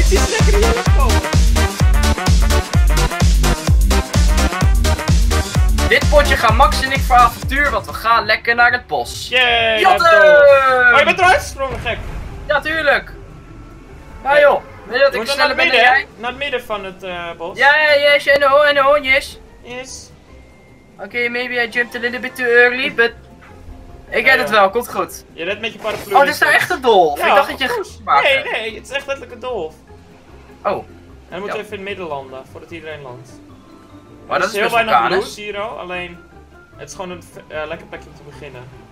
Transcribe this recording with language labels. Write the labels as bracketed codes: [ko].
[nl] Ik zie het lekker in jouw kop. Dit potje gaan Max en ik voor avontuur, want we gaan lekker naar het bos. Yay! Jotten! Oh, je bent eruit? Gek. Ja, tuurlijk! Ja, joh. Wil je dat ik sneller ben dan jij? Naar het midden van het bos. Ja, ja, yes, en de hoornjes. Yes. [en] Oké, maybe I jumped a little bit too early, but... [nl] Ik red het wel, komt goed. Je redt met je paraplu. Oh, dit is daar echt een dolf. Ja, ik dacht dat je Nee, nee, het is echt letterlijk een dolf. Oh. En dan moeten we even in het midden landen, voordat iedereen landt. Maar dat is heel weinig bloes hier al, alleen het is gewoon een lekker plekje om te beginnen.